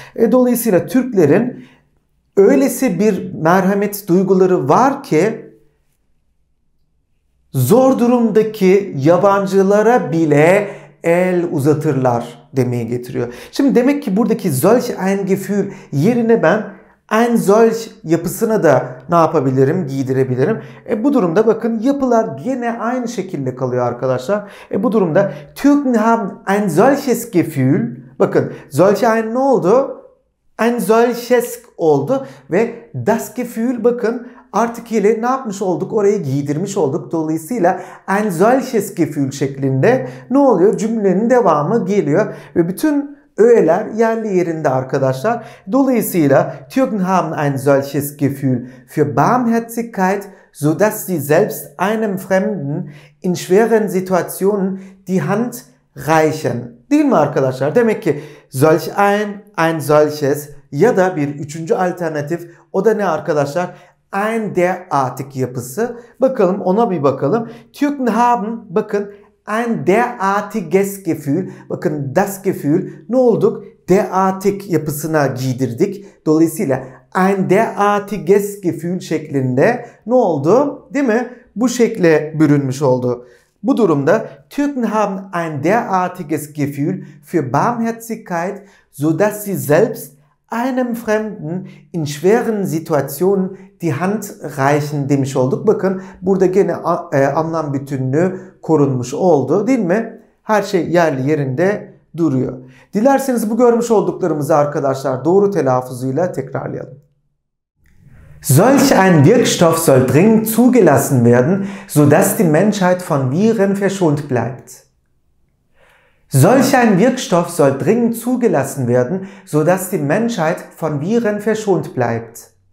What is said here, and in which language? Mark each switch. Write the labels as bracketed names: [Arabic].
[Turkish] Dolayısıyla Türklerin öylesi bir merhamet duyguları var ki zor durumdaki yabancılara bile el uzatırlar demeye getiriyor. Şimdi demek ki buradaki solch ein Gefühl yerine ben ein solch yapısına da ne yapabilirim, giydirebilirim. Bu durumda bakın yapılar gene aynı şekilde kalıyor arkadaşlar. [German] Bu durumda Türken haben ein solches Gefühl. [Turkish] Bakın solch ein ne oldu? Ein solches oldu ve das Gefühl bakın artık ile ne yapmış olduk? Orayı giydirmiş olduk. Dolayısıyla ein solches Gefühl şeklinde ne oluyor? Cümlenin devamı geliyor ve bütün öğeler yerli yerinde arkadaşlar. [German] Dolayısıyla Türken haben ein solches Gefühl für Barmherzigkeit, so dass sie selbst einem Fremden in schweren Situationen die Hand reichen. [Turkish] Değil mi arkadaşlar? Demek ki solch ein solches ya da bir üçüncü alternatif, o da ne arkadaşlar? Ein der artık yapısı. Bakalım ona bir bakalım. [German] Türken haben, bakın, ein derartiges Gefühl, bakın das Gefühl, ne olduk? [Turkish] Derartig yapısına giydirdik. Dolayısıyla ein derartiges Gefühl şeklinde ne oldu? Değil mi? Bu şekle bürünmüş oldu. [German] Bu durumda Türken haben ein derartiges Gefühl für Barmherzigkeit, so dass sie selbst einem Fremden in schweren Situationen die Hand reichen demiş olduk. [Turkish] Bakın burada gene anlam bütünlüğü korunmuş oldu, değil mi? Her şey yerli yerinde duruyor. Dilerseniz bu görmüş olduklarımızı arkadaşlar doğru telaffuzuyla tekrarlayalım. [German] Solch ein Wirkstoff soll dringend zugelassen werden, so dass die Menschheit von Viren verschont bleibt. Solch ein Wirkstoff soll dringend zugelassen werden, so dass die Menschheit von Viren verschont bleibt.